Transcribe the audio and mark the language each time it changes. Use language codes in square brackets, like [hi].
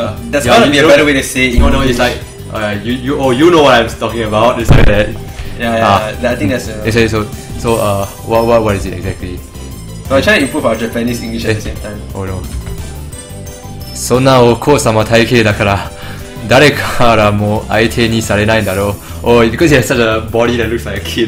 [en] That's gotta be a better way to say. You know, it's like, you know what I'm talking about. It's like that. Yeah, I think that's. So, what is it exactly? I'm trying to improve our Japanese English at the same time. Oh no. [ja] そんなお子様体型だから誰からも相手にされないんだろう。 [en] Oh, because you have such a body that looks like a kid.